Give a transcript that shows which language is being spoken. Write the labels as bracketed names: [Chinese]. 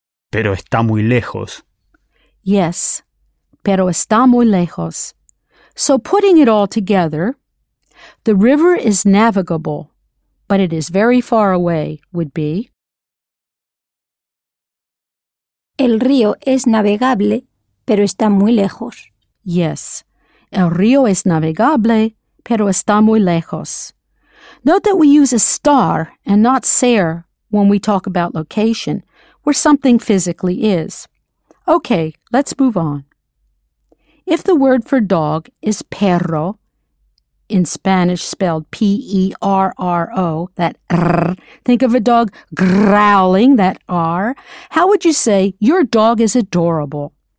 [Spanish] Pero está muy lejos. [English] Yes, [Spanish] pero está muy lejos. [English] So putting it all together, the river is navigable, but it is very far away, would be... [Spanish] El río es navegable, pero está muy lejos. Yes, el río es navegable, pero está muy lejos. [English] Note that we use estar and not ser when we talk about location, where something physically is. Okay, let's move on. If the word for dog is perro, in Spanish spelled P-E-R-R-O, that R, think of a dog growling, that R, how would you say your dog is adorable?